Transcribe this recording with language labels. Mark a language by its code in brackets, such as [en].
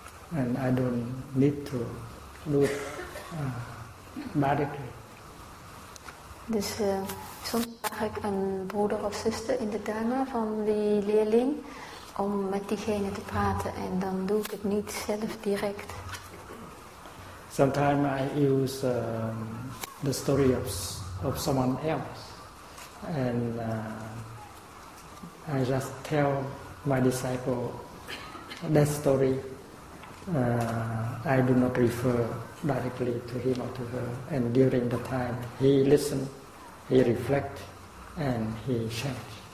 [en] And I don't need to do it directly. [nl] Dus soms vraag ik een broeder of zuster in de dharma van die leerling om met diegene te praten en dan doe ik het niet zelf direct. [en] Sometimes I use the story of someone else and I just tell my disciple that story. I do not refer directly to him or to her, and during the time he listen, he reflect, and he change.